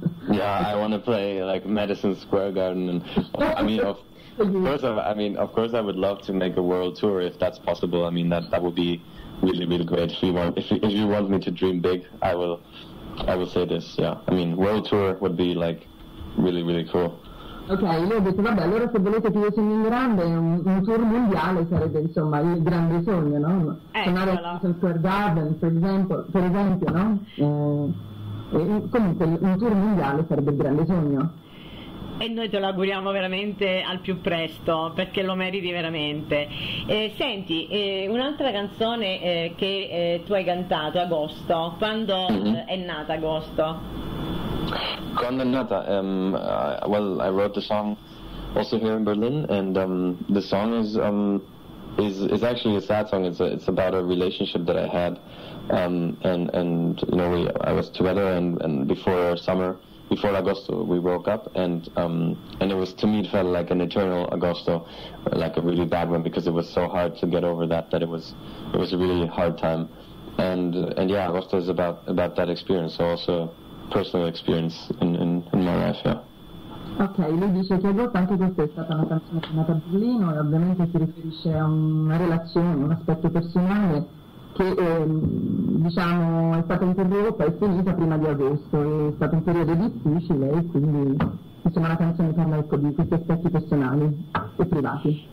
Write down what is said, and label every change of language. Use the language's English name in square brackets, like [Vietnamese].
[English] Yeah, I want to play like Madison Square Garden, and Of course, I would love to make a world tour if that's possible. I mean, that would be really, really great. If you want me to dream big, I will say this. Yeah, I mean, world tour would be like really, really cool. [Italian] Okay, lui ha detto, vabbè, allora se volete che io sogno in grande, un tour mondiale sarebbe, insomma, il grande sogno, no? Suonare a Madison Square Garden, per esempio, no? Comunque, un tour mondiale sarebbe il grande sogno. E noi te lo auguriamo veramente al più presto, perché lo meriti veramente. Senti, un'altra canzone che tu hai cantato, Agosto, quando è nata Agosto? Quando è nata? [English] I wrote the song also here in Berlin, and the song is actually a sad song. It's about a relationship that I had, and you know, I was together and before summer. Before Agosto, we broke up, and it was, to me, it felt like an eternal Agosto, like a really bad one, because it was so hard to get over that it was a really hard time, and yeah, Agosto is about that experience, so also personal experience in my life, yeah. [Italian] Okay, lui dice che Agosto, anche questa è stata una canzone chiamata Berlino, e ovviamente si riferisce a una relazione, un aspetto personale, che diciamo è stata interrotta e finita prima di agosto, è stato un periodo difficile, e quindi insomma la canzone parla, ecco, di questi aspetti personali e privati.